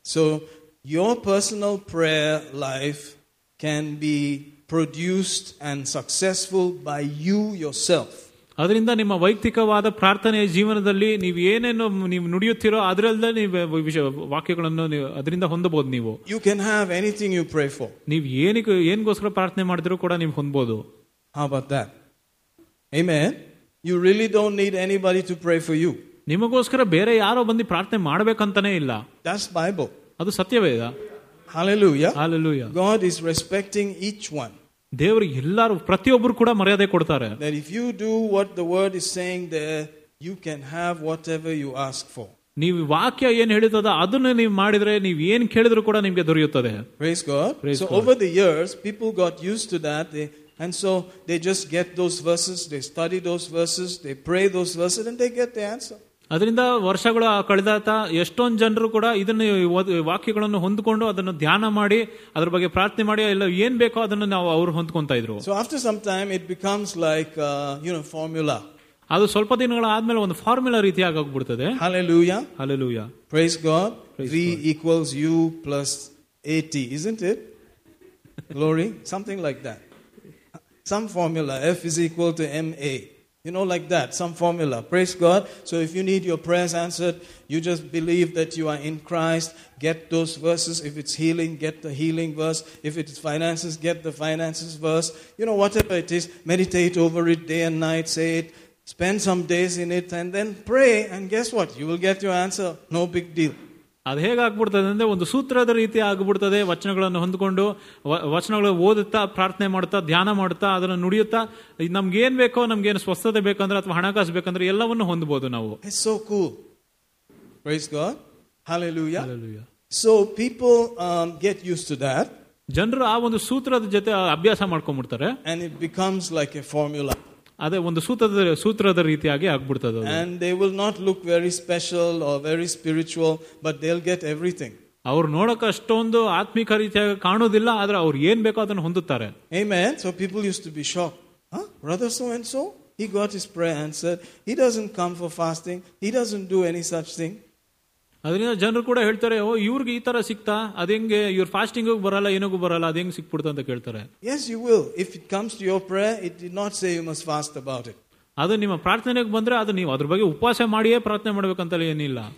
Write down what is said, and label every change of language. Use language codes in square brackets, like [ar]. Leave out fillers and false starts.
[en] So your personal prayer life can be produced and successful by you yourself. [kn] ಅದರಿಂದ ನಿಮ್ಮ ವೈಯಕ್ತಿಕವಾದ ಪ್ರಾರ್ಥನೆಯ ಜೀವನದಲ್ಲಿ ನೀವು ಏನೇನು ನೀವು ನುಡಿಯುತ್ತೀರೋ ಅದರಲ್ಲೇ ನೀವು ವಾಕ್ಯಗಳನ್ನು ಅದರಿಂದ ಹೊಂದಬಹುದು. ನೀವು [en] You can have anything you pray for. [kn] ನೀವು ಏನಿಗೋಸ್ಕರ ಪ್ರಾರ್ಥನೆ ಮಾಡಿದ್ರು ಕೂಡ ನೀವು ಹೊಂದಬಹುದು. [en] How about that? Amen. You really don't need anybody to pray for you. [kn] ನಿಮಗೋಸ್ಕರ ಬೇರೆ ಯಾರೋ ಬಂದು ಪ್ರಾರ್ಥನೆ ಮಾಡಬೇಕಂತನೇ ಇಲ್ಲ. [en] That's Bible. [kn] ಅದು ಸತ್ಯವೇದ. [en] Hallelujah. Hallelujah. God is respecting each one. [kn] ದೇವರು ಎಲ್ಲರೂ ಪ್ರತಿಯೊಬ್ಬರು ಕೂಡ ಮರ್ಯಾದೆ ಕೊಡ್ತಾರೆ. [en] That if you do what the word is saying there, you can have whatever you ask for. [kn] ನೀವು ವಾಕ್ಯ ಏನ್ ಹೇಳುತ್ತದ ಅದನ್ನ ನೀವು ಮಾಡಿದ್ರೆ ನೀವು ಏನ್ ಕೇಳಿದ್ರು ಕೂಡ ನಿಮ್ಗೆ ದೊರೆಯುತ್ತದೆ. [en] Praise God. So over the years, people got used to that. And so they just get those verses, they study those verses, they pray those verses, and they get the answer. [kn] ಅದರಿಂದ ವರ್ಷಗಳು ಕಳೆದಾತ ಎಷ್ಟೊಂದು ಜನರು ಕೂಡ ಇದನ್ನು ವಾಕ್ಯಗಳನ್ನು ಹೊಂದಿಕೊಂಡು ಅದನ್ನು ಧ್ಯಾನ ಮಾಡಿ ಅದರ ಬಗ್ಗೆ ಪ್ರಾರ್ಥನೆ ಮಾಡಿ ಇಲ್ಲ ಏನ್ ಬೇಕೋ ಅದನ್ನು ನಾವು ಅವರು ಹೊಂದ್ಕೊಂತಾ ಇದ್ರು. [en] So after some time it becomes like you know formula. [kn] ಅದು ಸ್ವಲ್ಪ ದಿನಗಳ ಆದ್ಮೇಲೆ ಒಂದು ಫಾರ್ಮುಲಾ ರೀತಿ ಆಗೋಗ್ಬಿಡ್ತದೆ. [en] Hallelujah. Hallelujah. Praise God. V equals U plus 80, isn't it? Glory. Something like that. Some formula. F is equal to MA. You know, like that, some formula. Praise God. So if you need your prayers answered, you just believe that you are in Christ. Get those verses. If it's healing, get the healing verse. If it's finances, get the finances verse. You know, whatever it is, meditate over it day and night. Say it. Spend some days in it and then pray. And guess what? You will get your answer. No big deal. [kn] ಅದು ಹೇಗಾಗ್ಬಿಡ್ತದೆ ಅಂದ್ರೆ ಒಂದು ಸೂತ್ರದ ರೀತಿ ಆಗ್ಬಿಡ್ತದೆ. ವಚನಗಳನ್ನು ಹೊಂದ್ಕೊಂಡು ವಚನಗಳು ಓದುತ್ತಾ ಪ್ರಾರ್ಥನೆ ಮಾಡ್ತಾ ಧ್ಯಾನ ಮಾಡ್ತಾ ಅದನ್ನು ನುಡಿಯುತ್ತಾ ನಮ್ಗೇನ್ ಬೇಕೋ ನಮ್ಗೇನು ಸ್ವಸ್ಥತೆ ಬೇಕಂದ್ರೆ ಅಥವಾ ಹಣಕಾಸು ಬೇಕಂದ್ರೆ ಎಲ್ಲವನ್ನು ಹೊಂದಬಹುದು ನಾವು. [en] So cool. Praise God. Hallelujah. Hallelujah. So people get used to that. [kn] ಜನರು ಆ ಒಂದು ಸೂತ್ರದ ಜೊತೆ ಅಭ್ಯಾಸ ಮಾಡ್ಕೊಂಡ್ಬಿಡ್ತಾರೆ. [en] And it becomes like a formula. [kn] ಅದೇ ಒಂದು ಸೂತ್ರದ ರೀತಿಯಾಗಿ ಆಗ್ಬಿಡ್ತದೆ. [en] And they will not look very special or very spiritual, but they'll get everything. [kn] ಅವ್ರು ನೋಡಕ್ ಅಷ್ಟೊಂದು ಆತ್ಮೀಕ ರೀತಿಯಾಗಿ ಕಾಣೋದಿಲ್ಲ, ಆದ್ರೆ ಅವ್ರು ಏನ್ ಬೇಕೋ ಅದನ್ನು ಹೊಂದುತ್ತಾರೆ. [en] Amen. So people used to be shocked. Huh? Brother so and so, he got his prayer answered. He doesn't come for fasting. He doesn't do any such thing. [kn] ಅದರಿಂದ ಜನರು ಕೂಡ ಹೇಳ್ತಾರೆ, ಓ ಇವ್ರಿಗೆ ಈ ತರ ಸಿಕ್ತಾ, ಅದೇ ಇವ್ರು ಫಾಸ್ಟಿಂಗ್ ಬರಲ್ಲ, ಏನಗೂ ಬರಲ್ಲ, ಅದೇ ಸಿಕ್ಬಿಡ್ತು ಅಂತ ಕೇಳ್ತಾರೆ. [en] Yes, you will. If it comes to your prayer, it did not say you must fast about it. [kn] ಅದು ನಿಮ್ಮ ಪ್ರಾರ್ಥನೆಗೆ ಬಂದ್ರೆ ಅದು ನೀವು ಅದ್ರ ಬಗ್ಗೆ ಉಪವಾಸ ಮಾಡಿಯೇ ಪ್ರಾರ್ಥನೆ ಮಾಡಬೇಕಂತ ಏನಿಲ್ಲ.